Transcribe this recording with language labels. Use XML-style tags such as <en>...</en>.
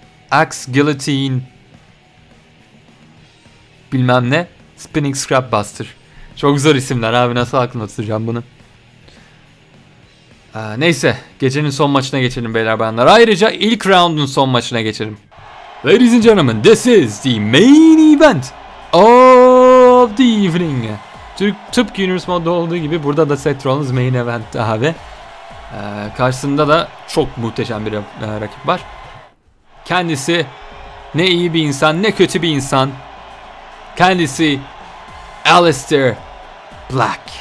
<en>Axe Guillotine.</en> <tr>Bilmem ne. Spinning Scrap Buster. Çok zor isimler abi. Nasıl aklımda tutacağım bunu? Neyse. Gecenin son maçına geçelim beyler bayanlar. Ayrıca ilk round'un son maçına geçelim.</tr> <en>Ladies and gentlemen, this is the main event of the evening.</en> <tr>Tıpkı Universe Mode'da olduğu gibi burada da Seth Rollins main event abi. Karşısında da çok muhteşem bir rakip var. Kendisi ne iyi bir insan ne kötü bir insan. Kendisi Aleister Black.</tr>